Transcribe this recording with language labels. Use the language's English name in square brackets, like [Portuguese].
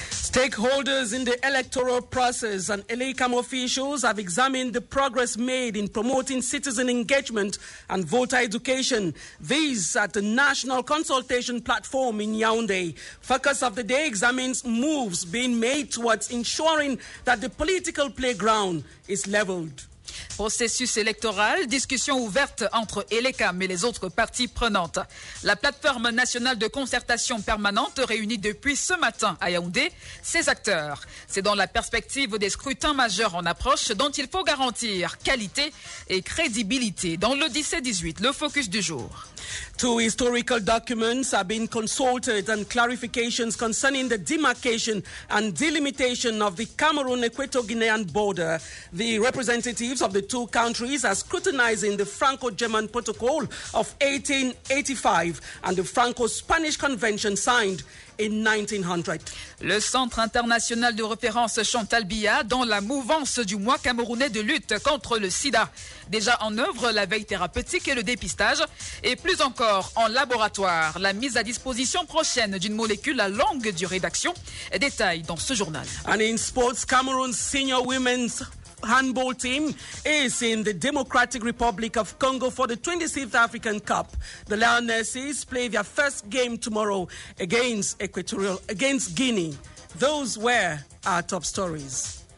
[English] Stakeholders in the electoral process and ELECAM officials have examined the progress made in promoting citizen engagement and voter education. These at the National Consultation Platform in Yaoundé. Focus of the day examines moves being made towards ensuring that the political playground is leveled. [French] Processus électoral, discussion ouverte entre ELECAM et les autres parties prenantes. La plateforme nationale de concertation permanente réunit depuis ce matin à Yaoundé ses acteurs. C'est dans la perspective des scrutins majeurs en approche dont il faut garantir qualité et crédibilité. Dans le 17-18, le focus du jour. [English] Two historical documents have been consulted and clarifications concerning the demarcation and delimitation of the Cameroon-Equato-Guinean border. The representatives of the two countries are scrutinizing the Franco-German Protocol of 1885 and the Franco-Spanish Convention signed in 1900. [French] Le Centre international de référence Chantal Biya dans la mouvance du mois camerounais de lutte contre le sida. Déjà en œuvre, la veille thérapeutique et le dépistage, et plus encore en laboratoire, la mise à disposition prochaine d'une molécule à longue durée d'action. Détails dans ce journal. [English] And in sports, Cameroon's senior women's handball team is in the Democratic Republic of Congo for the 26th African Cup. The Lionesses play their first game tomorrow against Guinea. Those were our top stories.